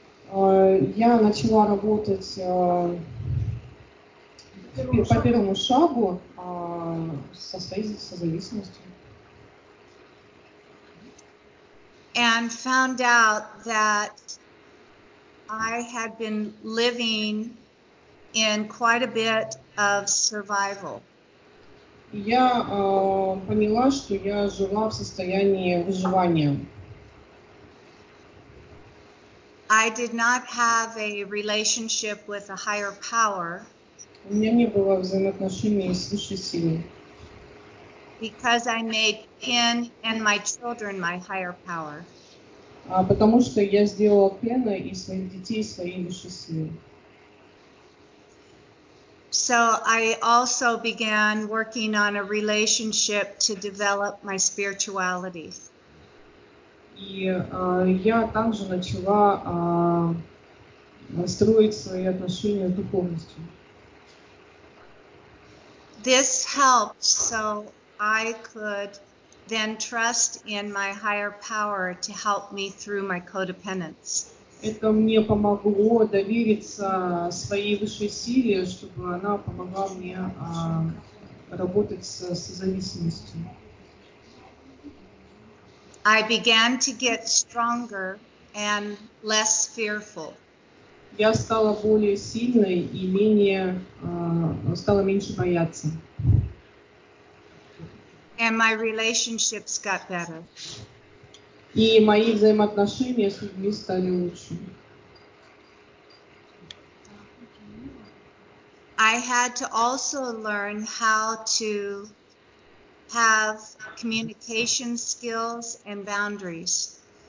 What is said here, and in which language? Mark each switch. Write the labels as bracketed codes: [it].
[ru] Я начала работать по первому шагу со зависимостью. [en] And found out that I had been living in quite a bit of survival. [ru] Я поняла, что я жила в состоянии выживания. [en] I did not have a relationship with a higher power. [ru] У меня не было взаимоотношений с высшей силой. [en] Because I made Pen and my children my higher power. [ru] Потому что я сделала Пена и своих детей своей высшей силой. [en] So I also began working on a relationship to develop my spirituality. [ru] И я также начала строить свои отношения с духовностью. [en] This helped so I could then trust in my higher power to help me through my codependence. [ru] Это мне помогло довериться своей высшей силе, чтобы она помогла мне работать с зависимостью. [en] I began to get stronger and less fearful. [ru] Я стала более сильной и стала меньше бояться. [en] And my relationships got better. [ru] И мои взаимоотношения с людьми стали лучше. [en] I had to also learn how to have communication skills and boundaries.